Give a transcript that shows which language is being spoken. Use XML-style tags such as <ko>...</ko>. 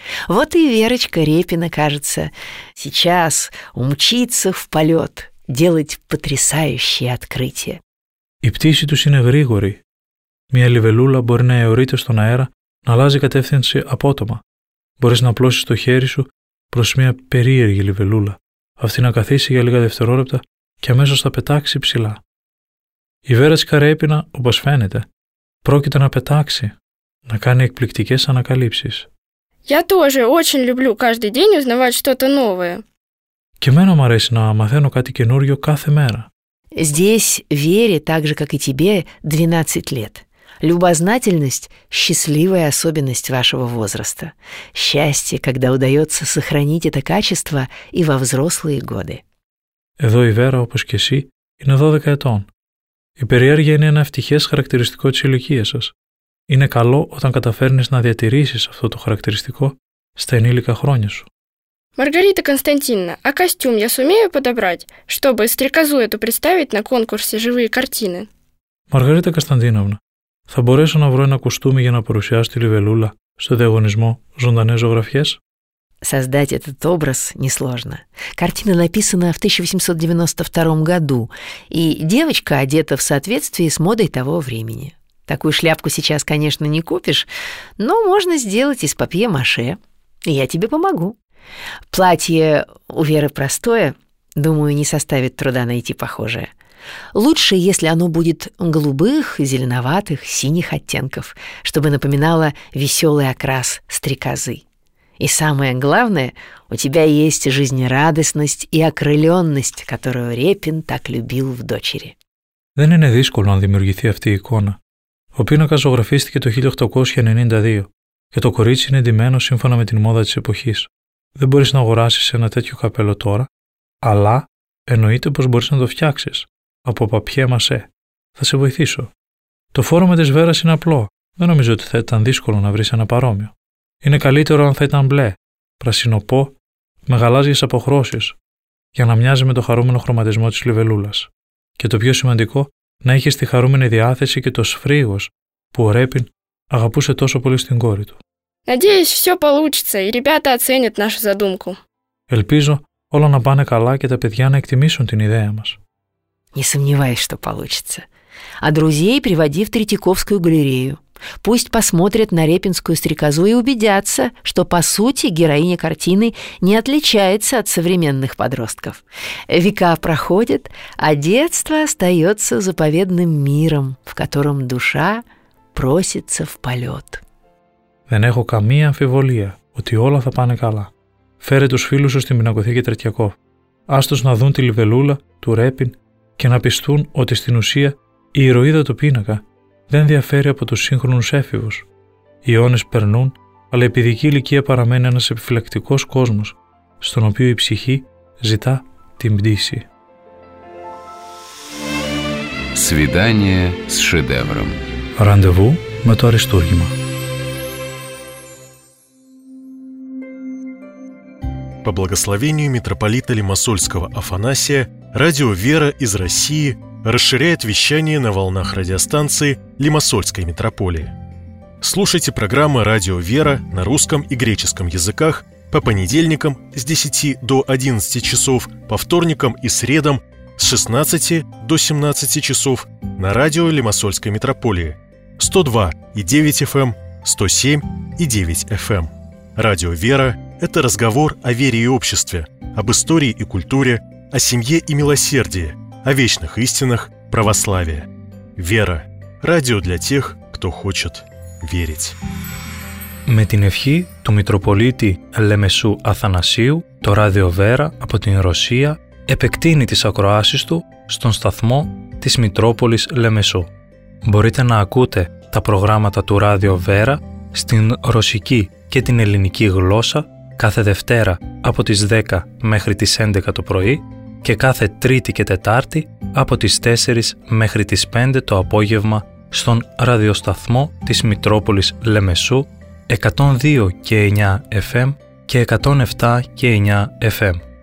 <ru>Вот и Верочка Репина, кажется, сейчас умчится в полет, делать потрясающие открытия.</ru> <el>Οι πτήσεις τους είναι γρήγοροι. Μια λιβελούλα μπορεί να αιωρείται στον αέρα, να αλλάζει κατεύθυνση απότομα. Μπορείς να πλώσεις το χέρι σου προς μια περίεργη λιβελούλα, αυτή να καθίσει για λίγα δευτερόλεπτα και αμέσως θα πετάξει ψηλά. Η Βέρα Σκαρέπινα, όπως φαίνεται, πρόκειται να πετάξει, να κάνει εκπληκτικές ανακαλύψεις.</el> <ru>Я тоже очень люблю каждый день узнавать что-то новое.</ru> <el>Και εμένα μου αρέσει να μαθαίνω κάτι καινούριο κάθε μέρα.</el> <ru>Здесь Вере, так же как и тебе, 12 лет. Любознательность – счастливая особенность вашего возраста. Счастье, когда удается сохранить это качество и во взрослые годы.</ru> <el>Εδώ η Βέρα, όπως και εσύ, είναι 12 ετών. Η περιέργεια είναι ένα ευτυχές χαρακτηριστικό της ηλικίας σας. Είναι καλό όταν καταφέρνεις να διατηρήσεις αυτό το χαρακτηριστικό στα ενήλικα χρόνια σου.</el> <ru>Маргарита Константиновна, а костюм я сумею подобрать, чтобы стрекозу эту представить на конкурсе «Живые картины»?</ru> <el>Маргарита Константиновна, θα μπορέσω να βρω ένα κουστούμι για να παρουσιάσω τη Λιβελούλα στο διαγωνισμό «Ζωντανές ζωγραφιές»?</el> <ru>Создать этот образ несложно. Картина написана в 1892 году, и девочка одета в соответствии с модой того времени. Такую шляпку сейчас, конечно, не купишь, но можно сделать из папье-маше. Я тебе помогу. Платье у Веры простое, думаю, не составит труда найти похожее. Лучше, если оно будет голубых, зеленоватых, синих оттенков, чтобы напоминало веселый окрас стрекозы. И самое главное, у тебя есть жизнерадостность и окрылённость, которую Репин так любил в дочери.</ru> <el>Δεν είναι δύσκολο να δημιουργηθεί αυτή η εικόνα. Ο πίνακας ζωγραφίστηκε το 1892 και το κορίτσι είναι ντυμένο σύμφωνα με την μόδα της εποχής. Δεν μπορείς να αγοράσεις ένα τέτοιο καπέλο τώρα, αλλά εννοείται πως μπορείς να το φτιάξεις. Από παπιέ μασέ. Θα σε βοηθήσω. Το φόρο με τις βέρας είναι απλό. Δεν νομίζω ότι θα ήταν δύσκολο να βρεις ένα παρόμοιο. Είναι καλύτερο αν θα ήταν μπλε, πρασινοπό, με γαλάζιες αποχρώσεις, για να μοιάζει με το χαρούμενο χρωματισμό της Λιβελούλας. Και το πιο σημαντικό, να έχεις τη χαρούμενη διάθεση και το σφρίγος που ο Ρέπιν αγαπούσε τόσο πολύ στην κόρη του.</el> <ru>Надеюсь, все получится, и ребята оценят нашу задумку.</ru> <el>Ελπίζω όλα να πάνε καλά και τα παιδιά να εκτιμήσουν την ιδέα μας.</el> <ru>Не сомневайся, что получится. А друзей приводи в Третьяковскую галерею. Пусть посмотрят на репинскую стрекозу и убедятся, что, по сути, героиня картины не отличается от современных подростков. Века проходят, а детство остается заповедным миром, в котором душа просится в полет.</ru> <el>Δεν έχω καμία αμφιβολία ότι όλα θα πάνε καλά. Φέρε τους φίλους σου στην Πινακοθήκη Τρετιακόφ. Ας τους να δουν τη Λιβελούλα, του Ρέπιν και να πιστούν ότι στην ουσία η ηρωίδα του πίνακα δεν διαφέρει από τους σύγχρονους έφηβους. Οι αιώνες περνούν, αλλά η παιδική ηλικία παραμένει ένας επιφυλακτικός κόσμος, στον οποίο η ψυχή ζητά την πτήση.</el> <ru>Σβιντάνιε σ Σεδεύρομ.</ru> <el>Ραντεβού με το Αριστούργημα.</el> <ru>По благословению митрополита Лимассольского Афанасия, радио «Вера» из России расширяет вещание на волнах радиостанции Лимассольской митрополии. Слушайте программы «Радио «Вера» на русском и греческом языках по понедельникам с 10 до 11 часов, по вторникам и средам с 16 до 17 часов на радио Лимассольской митрополии 102.9 FM, 107.9 FM. Радио «Вера» – это разговор о вере и обществе, об истории и культуре, о семье и милосердии, о вечных истинах православия. «Вера» – радио для тех, кто хочет верить.</ru> <el>Με την ευχή του Μητροπολίτη Λεμεσού Αθανασίου, το Ράδιο «Βέρα» από την Ρωσία επεκτείνει τις ακροάσεις του στον σταθμό της Μητρόπολης Λεμεσού. Μπορείτε να ακούτε τα προγράμματα του Ράδιο «Βέρα» στην ρωσική και την ελληνική γλώσσα κάθε Δευτέρα από τις 10 μέχρι τις 11 το πρωί και κάθε Τρίτη και Τετάρτη από τις 4 μέχρι τις 5 το απόγευμα στον ραδιοσταθμό της Μητρόπολης Λεμεσού 102.9 FM και 107.9 FM.</el>